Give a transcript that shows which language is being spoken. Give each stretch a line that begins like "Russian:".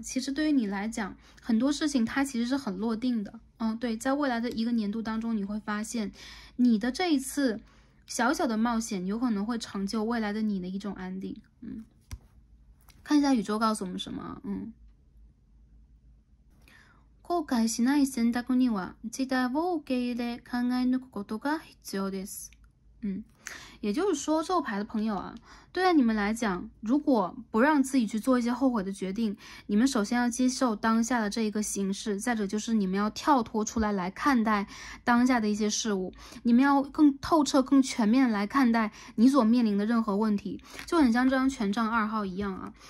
Chinese: 其实对于你来讲，很多事情它其实是很落定的。嗯，对，在未来的一个年度当中，你会发现你的这一次小小的冒险有可能会成就未来的你的一种安定。嗯，看一下宇宙告诉我们什么。嗯。
Japanese: 後悔しない選択には時代を受け入れ考え抜くことが必要です。
Chinese: 嗯，也就是说，这牌的朋友啊，对于你们来讲，如果不让自己去做一些后悔的决定，你们首先要接受当下的这一个形式，再者就是你们要跳脱出来来看待当下的一些事物，你们要更透彻、更全面来看待你所面临的任何问题，就很像这张权杖二号一样啊。